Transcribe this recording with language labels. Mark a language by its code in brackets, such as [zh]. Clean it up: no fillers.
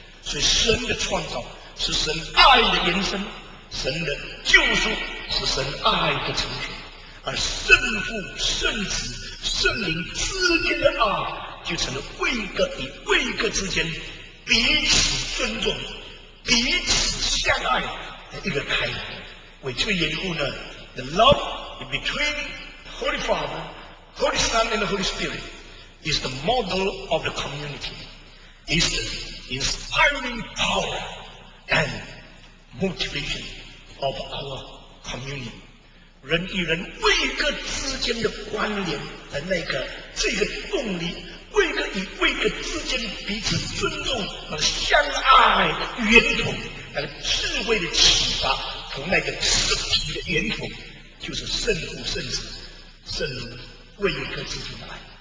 [zh] 所以神的创造是神爱的延伸，神的救赎是神爱的成全，而圣父、圣子、圣灵之间的爱就成了位格与位格之间彼此尊重、彼此相爱的一个开端。为这个缘故呢， [en] The love between Holy Father, Holy Son and Holy Spirit is the model of the community, is the inspiring power and motivation of our communion。 [zh] 人与人位格之间的关联的那个这个动力，位格与位格之间彼此尊重和相爱的源头，那个智慧的启发，从那个实体的源头，就是圣父、圣子、圣灵位格之间的爱。